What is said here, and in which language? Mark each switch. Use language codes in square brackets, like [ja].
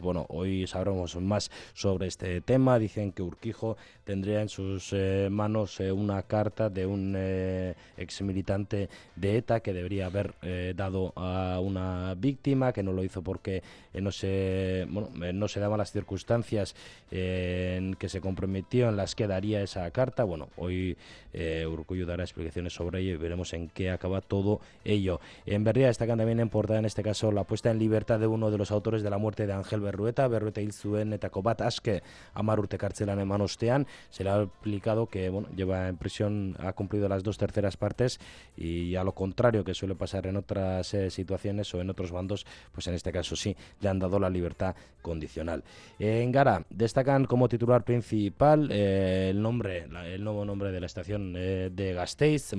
[es] Bueno, hoy sabremos más sobre este tema. Dicen que Urquijo tendría en sus manos una carta de un exmilitante de ETA que debería haber dado a una víctima, que no lo hizo porque no se daban las circunstancias en que se comprometió, en las que daría esa carta. Bueno, hoy Urkullu dará explicaciones sobre ello y veremos en qué acaba todo ello. En Berria destacan también en portada, en este caso, la puesta en libertad de uno de los autores de la muerte de Ángel Berrueta. [eu] Berrueta hil zuen etako bat aske hamar urte kartzelan eman ostean. [es] Se le ha explicado que bueno, lleva en prisión, ha cumplido las dos terceras partes, y a lo contrario que suele pasar en otras situaciones o en otros bandos, pues en este caso sí, le han dado la libertad condicional. En Gara destacan como titular principal el nuevo nombre de la estación de Gasteiz.